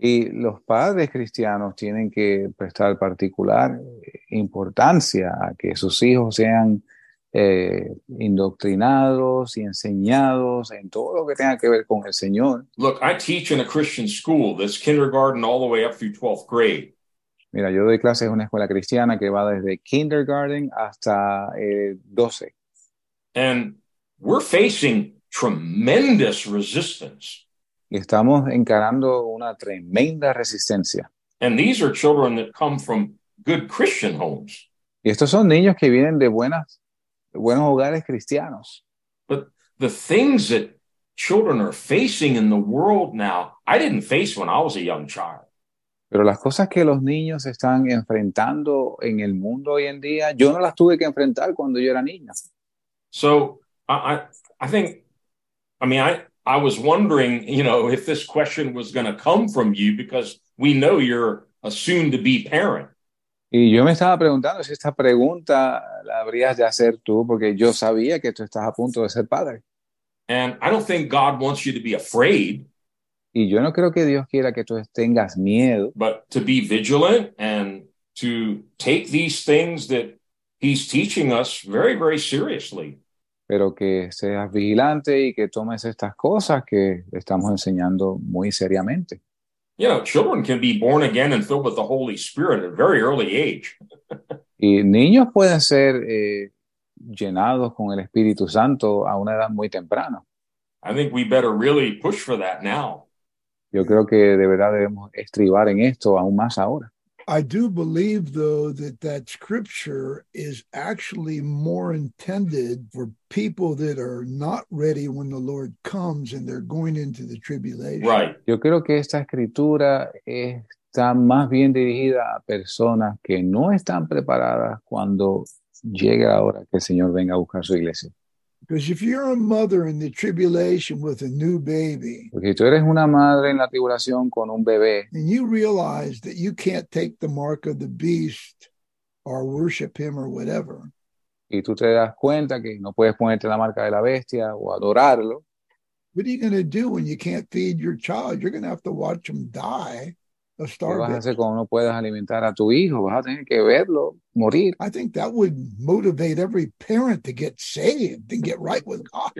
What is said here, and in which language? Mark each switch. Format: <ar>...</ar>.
<es>Y los padres cristianos tienen que prestar particular importancia a que sus hijos sean indoctrinados y enseñados en todo lo que tenga que ver con el Señor.</es> <en>Look, I teach in a Christian school that's kindergarten all the way up through 12th grade.</en> <es>Mira, yo doy clases en una escuela cristiana que va desde kindergarten hasta 12.</es> <en>And we're facing tremendous resistance.</en> <es>Y estamos encarando una tremenda resistencia.</es> <en>And these are children that come from good Christian homes.</en> <es>Y estos son niños que vienen de buenos hogares cristianos.</es> <en>But the things that children are facing in the world now, I didn't face when I was a young child.</en> <es>Pero las cosas que los niños están enfrentando en el mundo hoy en día, yo no las tuve que enfrentar cuando yo era niño.</es> <en>So I was wondering, you know, if this question was going to come from you because we know you're a soon to be parent.</en> <es>Y yo me estaba preguntando si esta pregunta la habrías de hacer tú, porque yo sabía que tú estás a punto de ser padre.</es> <en>And I don't think God wants you to be afraid,</en> <es>Y yo no creo que Dios quiera que tú tengas miedo.</es> <en>but to be vigilant and to take these things that he's teaching us very, very seriously.</en> <es>Pero que seas vigilante y que tomes estas cosas que estamos enseñando muy seriamente.</es> <en>You know, children can be born again and filled with the Holy Spirit at a very early age.</en> <es>Y niños pueden ser llenados con el Espíritu Santo a una edad muy temprana.</es> <en>I think we better really push for that now.</en> <es>Yo creo que de verdad debemos estribar en esto aún más ahora.</es> <en>I do believe, though, that that scripture is actually more intended for people that are not ready when the Lord comes and they're going into the tribulation. Right.</en> <es>Yo creo que esta escritura está más bien dirigida a personas que no están preparadas cuando llegue la hora que el Señor venga a buscar su iglesia.</es> <en>Because if you're a mother in the tribulation with a new baby,</en> <es>Porque si tú eres una madre en la tribulación con un bebé,</es> <en>and you realize that you can't take the mark of the beast or worship him or whatever,</en> <es>y tú te das cuenta que no puedes ponerte la marca de la bestia o adorarlo,</es> <en>what are you going to do when you can't feed your child? You're going to have to watch him die of</en> <es>¿qué vas a</es> <en>starvation.</en> <es>hacer cuando no puedas alimentar a tu hijo? Vas a tener que verlo morir.</es> <en>I think that would motivate every parent to get saved and get right with God.</en>